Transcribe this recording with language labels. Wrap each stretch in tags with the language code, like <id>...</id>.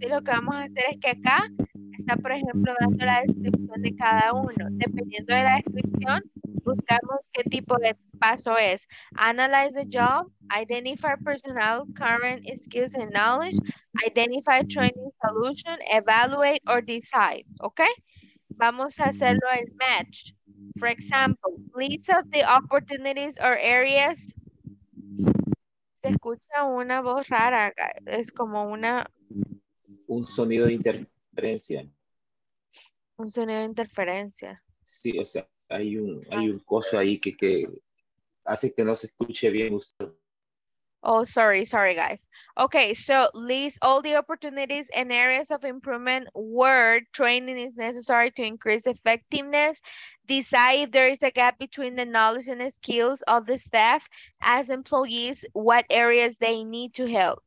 <es>Y lo que vamos a hacer es que acá está, por ejemplo, dando la descripción de cada uno. Dependiendo de la descripción, buscamos qué tipo de paso es.</es> <en>Analyze the job, identify personnel, current skills and knowledge, identify training solution, evaluate or decide. Okay,</en> <es>vamos a hacerlo el match.</es> <en>For example, list of the opportunities or areas.</en> <es>Se escucha una voz rara, es como una... Un sonido de interferencia. Un sonido de interferencia. Sí, o sea, hay un coso ahí que hace que no se escuche bien usted.</es> <en>Oh, sorry, guys. Okay, so list all the opportunities and areas of improvement where training is necessary to increase effectiveness. Decide if there is a gap between the knowledge and the skills of the staff as employees, what areas they need to help.</en>